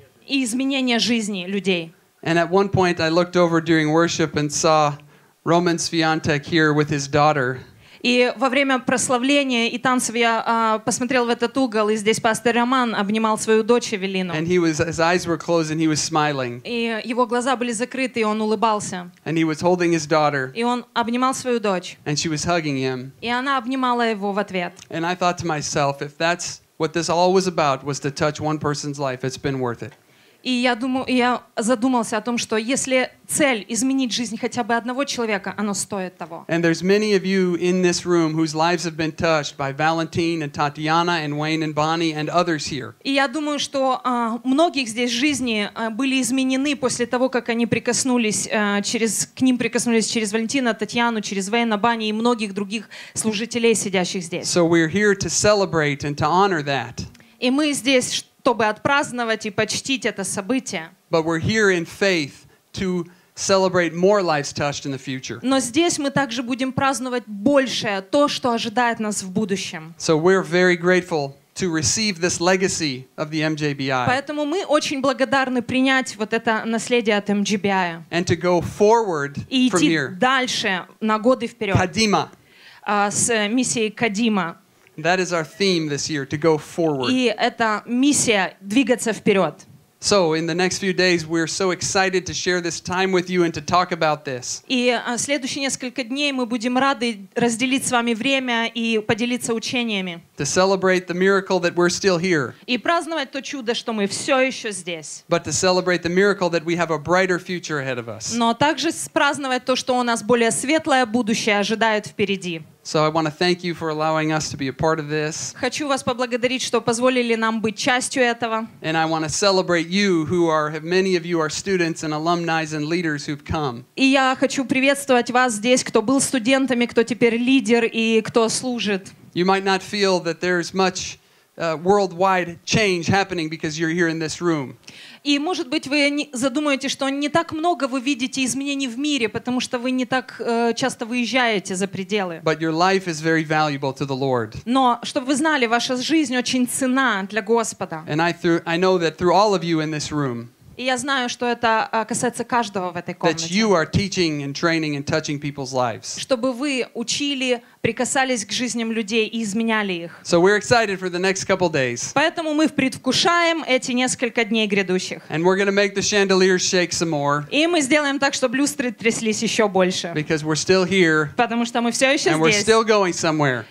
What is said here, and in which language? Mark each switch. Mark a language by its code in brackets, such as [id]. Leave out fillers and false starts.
[ru] И изменение жизни людей. [en] And at one point I looked over during worship and saw Roman Sviantek here with his daughter. [ru] И во время прославления и танцев я посмотрел в этот угол, и здесь пастор Роман обнимал свою дочь Эвелину. [en] And he was, his eyes were closed and he was smiling. [ru] И его глаза были закрыты, и он улыбался. [en] And he was holding his daughter. [ru] И он обнимал свою дочь. [en] And she was hugging him. [ru] И она обнимала его в ответ. [en] And I thought to myself, if that's what this all was about was to touch one person's life. It's been worth it. [ru] И я думаю, я задумался о том, что если цель изменить жизнь хотя бы одного человека, оно стоит того. [en] And there's many of you in this room whose lives have been touched by Valentin and Tatiana and Wayne and Bonnie and others here. [ru] И я думаю, что многих здесь жизни были изменены после того, как они прикоснулись через Валентина, Татьяну, через Вейна, Бонни и многих других служителей, сидящих здесь. [en] So we're here to celebrate and to honor that. [ru] И мы здесь, чтобы отпраздновать и почтить это событие. [en] But we're here in faith to celebrate more lives touched in the future. [ru] Но здесь мы также будем праздновать большее, то, что ожидает нас в будущем. [en] So we're very grateful to receive this legacy of the MJBI. [ru] Поэтому мы очень благодарны принять вот это наследие от MJBI. [en] And to go forward from here. [ru] И идти дальше на годы вперед. Кадима. С миссией Кадима. [en] That is our theme this year, to go forward. [ru] И это миссия двигаться вперед. [en] So, in the next few days, we're so excited to share this time with you and to talk about this. [ru] И следующие несколько дней мы будем рады разделить с вами время и поделиться учениями. [en] To celebrate the miracle that we're still here. [ru] И праздновать то чудо, что мы все еще здесь. [en] But to celebrate the miracle that we have a brighter future ahead of us. [ru] Но также праздновать то, что у нас более светлое будущее ожидает впереди. [en] So I want to thank you for allowing us to be a part of this. [ru] Хочу вас поблагодарить, что позволили нам быть частью этого. [en] And I want to celebrate you, many of you are students and alumni and leaders who've come. [ru] И я хочу приветствовать вас здесь, кто был студентами, кто теперь лидер и кто служит. [en] You might not feel that there's much worldwide change happening because you're here in this room. [ru] И, может быть, вы задумаете, что не так много вы видите изменений в мире, потому что вы не так часто выезжаете за пределы. [en] But your life is very valuable to the Lord. [ru] Но, чтобы вы знали, ваша жизнь очень ценна для Господа. [en] And I know that through all of you in this room. [ru] И я знаю, что это касается каждого в этой комнате. [en] That you are teaching and training and touching people's lives. [ru] Чтобы вы учили, прикасались к жизням людей и изменяли их. [en] So we're excited for the next couple days. [ru] Поэтому мы предвкушаем эти несколько дней грядущих. [en] And we're going to make the chandeliers shake some more. [ru] И мы сделаем так, чтобы люстры тряслись еще больше. [en] Because we're still here. [ru] Потому что мы все еще [en] and [ru] здесь. [en] And we're still going somewhere.